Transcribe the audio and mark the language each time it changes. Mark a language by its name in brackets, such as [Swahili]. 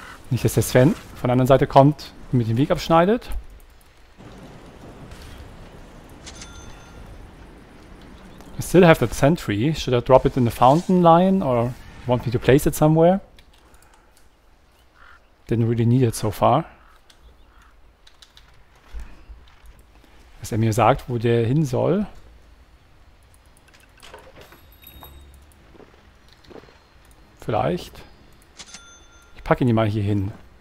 [German] Nicht, dass der Sven von der anderen Seite kommt und mir den Weg abschneidet. [English] I still have that sentry. Should I drop it in the fountain line or want me to place it somewhere? Didn't really need it so far. [German] er mir sagt, wo der hin soll. Vielleicht. Ich packe ihn mal hier hin.